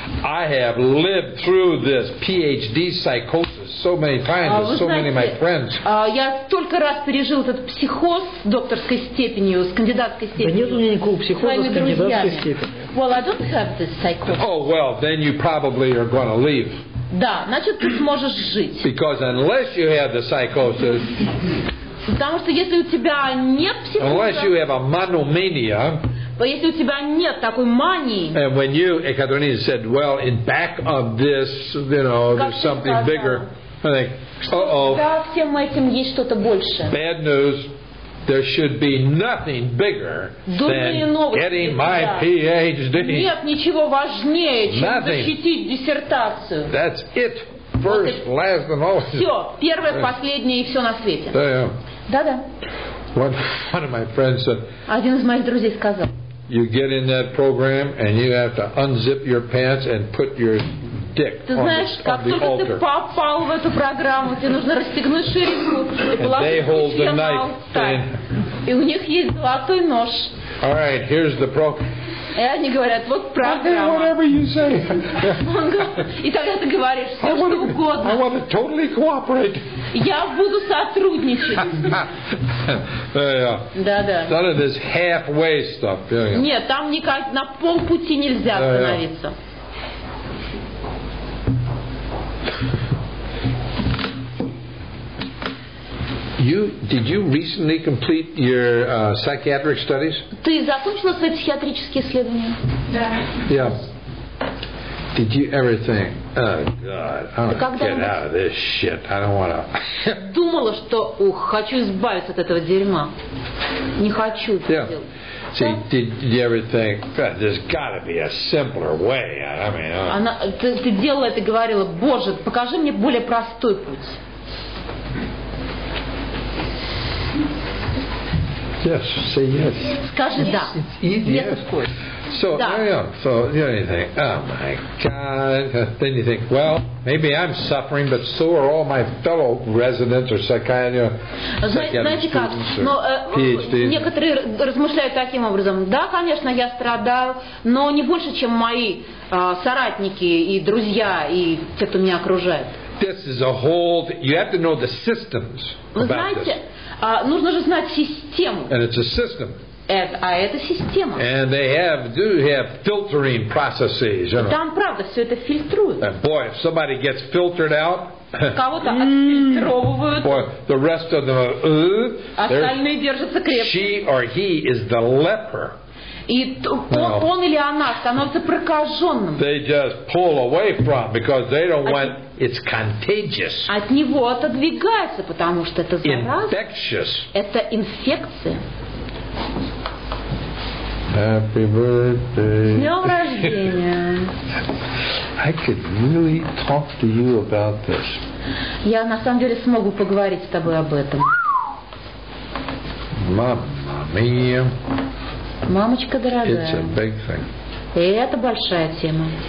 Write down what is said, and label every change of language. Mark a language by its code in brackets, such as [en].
[en] I have lived through this PhD psychosis so many times with so many of my friends. [ru] Я столько раз пережил этот психоз с докторской степенью, с кандидатской степенью. Да нет у меня никакого психоза с кандидатской степенью. [en] Well, I don't have this psychosis. Oh, well, then you probably are going to leave. [ru] Да, значит, ты сможешь жить. [en] Because unless you have the psychosis. [ru] Потому что если у тебя нет психоза. [en] Unless you have a monomania. [ru] Если у тебя нет такой мании. [en] And when you, Екатерина said, well, in back of this, you know, there's something bigger. I think, [ru] за всем этим есть что-то больше. [en] Bad news. There should be nothing bigger than getting my PhD. [ru] Нет ничего важнее, чем защитить диссертацию. [en] That's it. First, last, and always. [ru] Все, первое, последнее и все на свете. [en] Да. One of my friends said. [ru] Один из моих друзей сказал. [en] You get in that program and you have to unzip your pants and put your dick on the altar. [ru] Ты знаешь, как только ты попал в эту программу, тебе нужно расстегнуть ширинку и положить на алтарь. И у них есть золотой нож. [en] All right, here's the program. [ru] И они говорят, вот правда. [en] I'll do whatever you say. [ru] И тогда ты говоришь все, что угодно. [en] I want to totally cooperate. [ru] Я буду сотрудничать. Да-да. [en] None of this halfway stuff. [ru] Нет, там никак на полпути нельзя остановиться. [en] Did you recently complete your psychiatric studies? [ru] Ты закончила свои психиатрические исследования? Да. [en] Yeah. Did you ever think, oh God, I don't want to get out of this shit. I don't want to. [ru] Думала, что, ух, хочу избавиться от этого дерьма. Не хочу. [en] Yeah. See, did you ever think, God, there's got to be a simpler way? I mean. [ru] Она, ты делала это, говорила, Боже, покажи мне более простой путь. [en] Yes, say yes. [ru] Скажи да. [en] Yes, of course. So there you go. So you think, oh my God. Then you think, well, maybe I'm suffering, but so are all my fellow residents or PhDs. [ru] Некоторые размышляют таким образом. Да, конечно, я страдаю, но не больше, чем мои соратники и друзья и те, кто меня окружает. [en] This is a whole. You have to know the systems about this. [ru] Нужно же знать систему. [en] And it's a system. [ru] Это система. [en] And they do have filtering processes, you know. [ru] Там правда все это фильтруют. [en] And boy, if somebody gets filtered out. [ru] Кого-то отфильтровывают. [en] Boy, the rest of them. [ru] Остальные держатся крепко. [en] She or he is the leper. [ru] И он или она становится прокаженным. [en] They just pull away from because they don't want. It's contagious. [ru] От него отодвигается, потому что это зараза. [en] Infectious. [ru] Это инфекция. [en] Happy birthday. [ru] С днем рождения. [en] I could really talk to you about this. [ru] Я на самом деле смогу поговорить с тобой об этом. [it] Mamma mia. [ru] Мамочка дорогая. [en] It's a big thing. [ru] И это большая тема.